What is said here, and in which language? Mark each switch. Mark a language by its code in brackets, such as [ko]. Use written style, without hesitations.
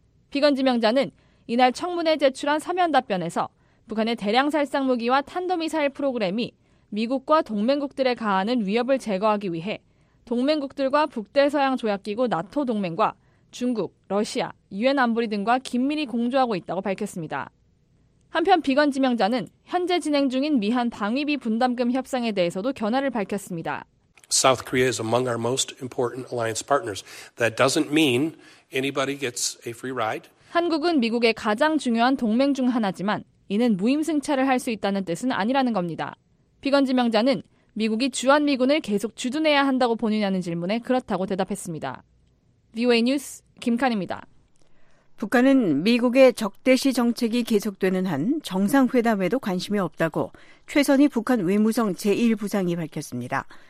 [ko] 비건 지명자는 이날 청문회 제출한 서면 답변에서 북한의 대량 살상 무기와 탄도미사일 프로그램이 미국과 동맹국들에 가하는 위협을 제거하기 위해 동맹국들과 북대서양 조약기구 나토 동맹과 중국, 러시아, 유엔 안보리 등과 긴밀히 공조하고 있다고 밝혔습니다. 한편 비건 지명자는 현재 진행 중인 미한 방위비 분담금 협상에 대해서도 견해를 밝혔습니다. [en] South Korea is among our most important alliance partners. That doesn't mean anybody gets a free ride. [ko] 한국은 미국의 가장 중요한 동맹 중 하나지만 이는 무임승차를 할 수 있다는 뜻은 아니라는 겁니다. 비건 지명자는 미국이 주한미군을 계속 주둔해야 한다고 보느냐는 질문에 그렇다고 대답했습니다. VOA 뉴스 김칸입니다. 북한은 미국의 적대시 정책이 계속되는 한 정상회담에도 관심이 없다고 최선희 북한 외무성 제1부상이 밝혔습니다.